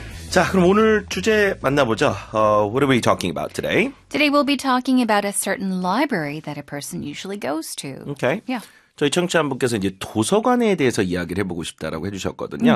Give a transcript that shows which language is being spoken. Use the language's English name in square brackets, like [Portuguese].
[Korean] 자, 그럼 오늘 주제 만나보죠. [English] What are we talking about today? Today we'll be talking about a certain library that a person usually goes to. Okay. Yeah. [Korean] 저희 청취자 한 분께서 이제 도서관에 대해서 이야기를 해보고 싶다라고 해주셨거든요.